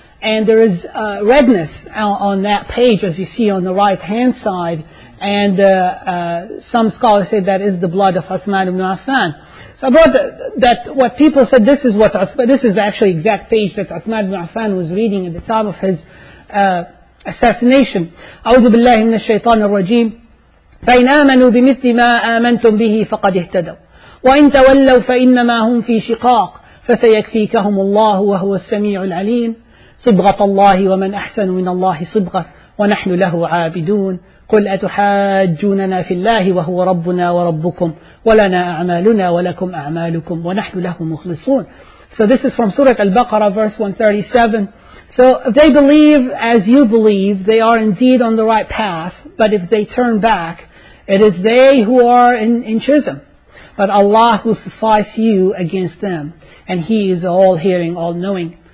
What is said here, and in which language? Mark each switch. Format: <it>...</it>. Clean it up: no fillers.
<en>And there is redness on that page, as you see on the right-hand side, and some scholars say that is the blood of Uthman ibn Affan. So about that, what people said, this is actually the exact page that Uthman ibn Affan was reading at the time of his assassination.</en> <ar>أعوذ بالله من الشيطان الرجيم فإن آمنوا بمثل ما آمنتم به فقد اهتدوا وإن تولوا فإنما هم في شقاق فسيكفيكهم الله وهو السميع العليم صبغة الله ومن أحسن من الله صبغة ونحن له عابدون قل أتحاجوننا في الله وهو ربنا وربكم ولنا أعمالنا ولكم أعمالكم ونحن له مخلصون.</ar> <en>So this is from Surah Al-Baqarah, verse 137. So if they believe as you believe, they are indeed on the right path, but if they turn back, it is they who are in schism. But Allah will suffice you against them, and He is all-hearing, all-knowing.</en>